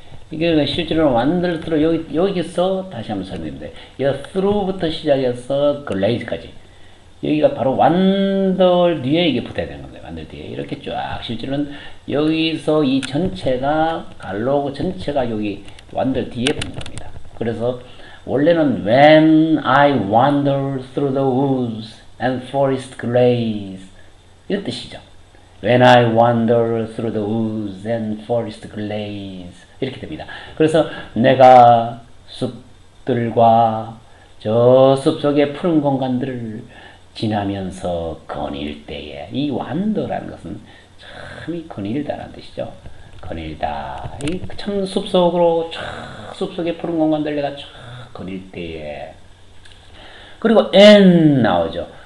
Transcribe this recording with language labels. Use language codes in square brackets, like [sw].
[ko] 이게 실제로는 wander through 여기서 다시 한번 설명해 드릴게요. 여기 through부터 시작해서 glaze까지. 여기가 바로 완돌 뒤에 이게 붙어야 되는 겁니다. 완돌 뒤에 이렇게 쫙 실제로는 여기서 이 전체가 갈로그 전체가 여기 완돌 뒤에 붙는 겁니다. 그래서 원래는 [en] When I wander through the woods and forest glades [ko] 이런 뜻이죠. [en] When I wander through the woods and forest glades [ko] 이렇게 됩니다. 그래서 내가 숲들과 저 숲속의 푸른 공간들을 지나면서 거닐 때에 이 완도라는 것은 참이 거닐다라는 뜻이죠. 거닐다. 이참 숲속으로 참 숲속의 푸른 공간들 내가 참 거닐 때에 그리고 N 나오죠.